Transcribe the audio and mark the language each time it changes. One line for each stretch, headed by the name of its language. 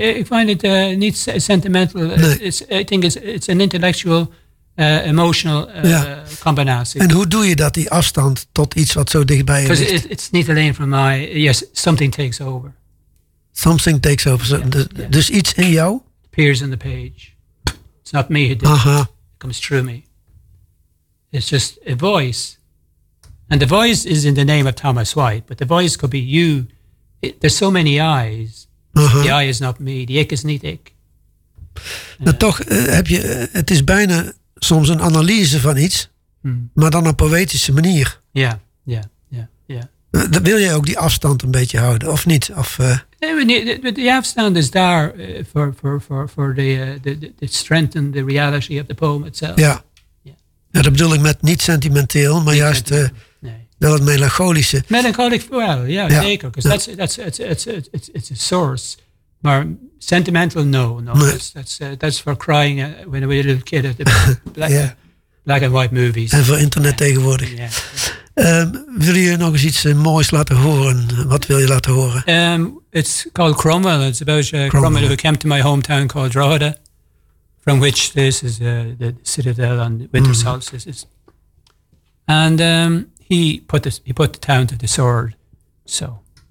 Dutch: Nee, ik vind het niet sentimental. Nee.
English: I think it's an intellectual, emotional
Dutch: combinatie. En hoe doe je dat, die afstand tot iets wat zo dichtbij je ligt?
English: Because it's not
Dutch: alleen
English: from my, yes, something takes over. Something takes over. So, yeah,
Dutch: dus iets in jou?
English: It appears in the page. It's not me who did it. It comes through me. It's just a voice. And the voice is in the name of Thomas White, but the voice could be you. There's so many eyes. Uh-huh. The eye is not me. The
Dutch: ik is niet ik. Nou, toch heb je... Het is bijna soms een analyse van iets. Hmm. Maar dan op een poëtische manier. Ja, ja, ja, ja. Wil jij ook die afstand een beetje houden? Of niet? Of,
English: the
Dutch: afstand is daar voor de
English: strength and the reality of the poem itself.
Dutch: Ja.
English: Yeah.
Dutch: Ja, dat bedoel ik met niet sentimenteel, maar niet juist...
English: Sentimental.
Dutch: Wel het melancholische.
English: Melancholic, well, yeah,
Dutch: ja, zeker.
English: Because ja. that's a source.
Dutch: Maar
English: sentimental, no.
Dutch: Nee.
English: That's for crying when we're a little kid at the black and white movies.
Dutch: En voor internet tegenwoordig.
English: Yeah.
Dutch: Wil je nog eens iets moois laten horen? Wat wil je laten horen?
English: It's called Cromwell. It's about Cromwell who came to my hometown called Drogheda. From which this is the citadel on winter solstices. And... He put the town to the sword, so.